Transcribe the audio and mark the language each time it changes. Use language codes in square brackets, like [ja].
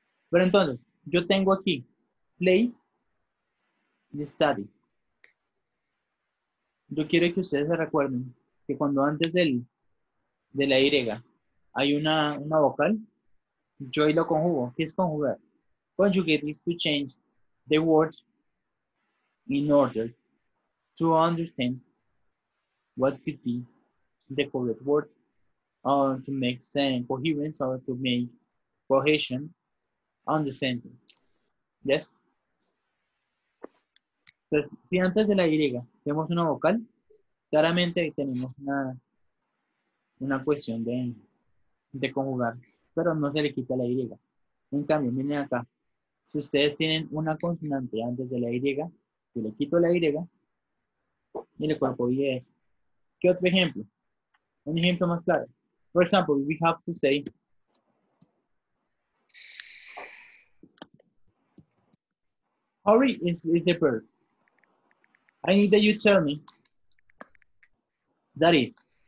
[es] Pero entonces, yo tengo aquí play y study. Yo quiero que ustedes se recuerden que cuando antes de la Y hay una vocal, yo ahí lo conjugo. ¿Qué es conjugar? [en] Conjugate is to change the word in order to understand what could be the correct word to make sense, coherence, or to make cohesion on the sentence. ¿Yes? [es] Entonces, si antes de la Y tenemos una vocal, claramente tenemos una cuestión de conjugar, pero no se le quita la Y. En cambio, miren acá, si ustedes tienen una consonante antes de la Y, yo le quito la Y y le cuerpo IES. ¿Qué otro ejemplo? Un ejemplo más claro. [en] For example, we have to say hurry is the verb. I need that you tell me that is.